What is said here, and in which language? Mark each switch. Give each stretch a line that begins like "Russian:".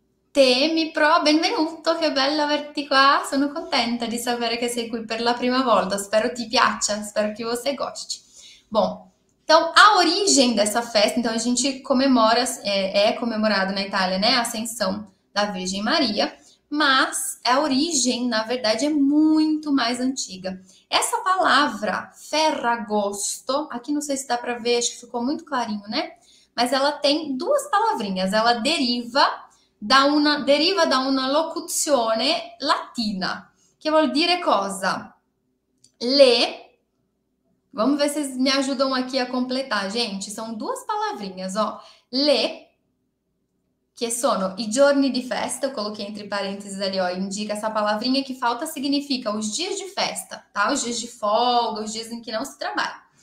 Italian: Temi Pro, benvenuto, che bello averti qua, sono contenta di sapere che sei qui per la prima volta, spero ti piaccia, spero che
Portuguese: você goste. Bom, então a origem dessa festa, então a gente comemora, é comemorado na Itália, né? A Ascensão da Virgem Maria, mas a origem, na verdade, é muito mais antiga. Essa palavra Ferragosto, aqui não sei se dá para ver, acho que ficou muito clarinho, né? Mas ela tem duas palavrinhas, ela deriva
Italian: da una locuzione latina, che vuol dire cosa? Le.
Portuguese: Vamos ver se me ajudam aqui a completar, gente. São duas palavrinhas, ó. Le, que
Italian: sono i giorni di festa,
Portuguese: eu coloquei entre parênteses ali, ó. Indica essa palavrinha que falta, significa os dias de festa, tá? Os dias de folga, os dias em que não se trabalha.